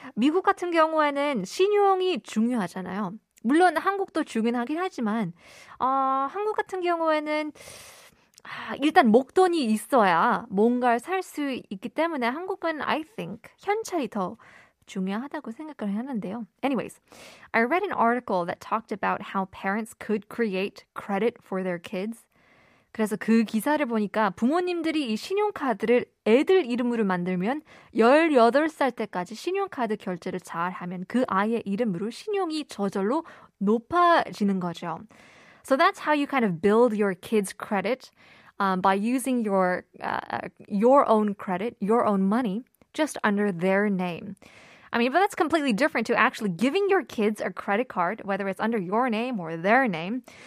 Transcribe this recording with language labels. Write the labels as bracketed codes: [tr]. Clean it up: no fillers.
[ko] 미국 같은 경우에는 신용이 중요하잖아요. 물론 한국도 중요하긴 하지만 한국 같은 경우에는 일단 목돈이 있어야 뭔가를 살 수 있기 때문에 한국은 [en] I think [ko] 현찰이 더 중요하다고 생각을 하는데요. [en] Anyways, I read an article that talked about how parents could create credit for their kids. [ko] 그래서 그 기사를 보니까 부모님들이 이 신용카드를 애들 이름으로 만들면 18살 때까지 신용카드 결제를 잘하면 그 아이의 이름으로 신용이 저절로 높아지는 거죠. [en] So that's how you kind of build your kid's credit by using your own credit, your own money, just under their name. I mean, but that's completely different to actually giving your kids a credit card, whether it's under your name or their name.